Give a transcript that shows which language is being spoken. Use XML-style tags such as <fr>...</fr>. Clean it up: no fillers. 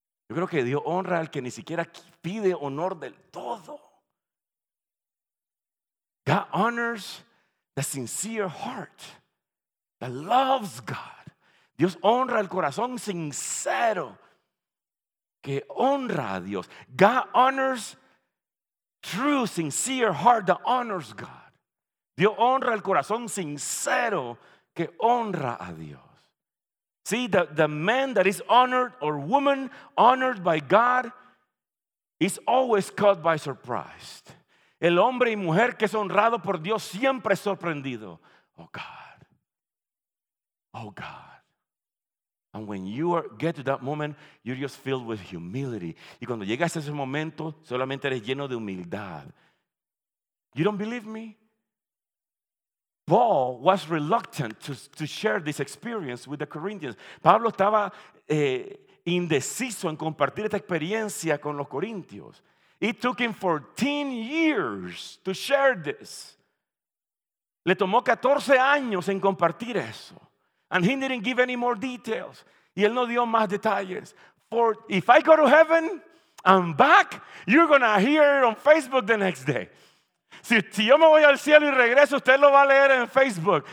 <es>Yo creo que Dios honra al que ni siquiera pide honor del todo.</es> <en>God honors the sincere heart that loves God.</en> <es>Dios honra el corazón sincero que honra a Dios.</es> <en>God honors true sincere heart that honors God.</en> <es>Dios honra el corazón sincero que honra a Dios.</es> <en>See, the man that is honored or woman honored by God is always caught by surprise.</en> <es>El hombre y mujer que es honrado por Dios siempre es sorprendido.</es> <en>Oh, God. Oh, God. And when you get to that moment, you're just filled with humility.</en> <es>Y cuando llegas a ese momento, solamente eres lleno de humildad.</es> <en>You don't believe me? Paul was reluctant to share this experience with the Corinthians.</en> <es>Pablo estaba indeciso en compartir esta experiencia con los corintios.</es> <en>It took him 14 years to share this.</en> <es>Le tomó 14 años en compartir eso.</es> <en>And he didn't give any more details.</en> <es>Y él no dio más detalles.</es> <en>For if I go to heaven and back, you're going to hear it on Facebook the next day.</en> <es>Si yo me voy al cielo y regreso, usted lo va a leer en Facebook.</es>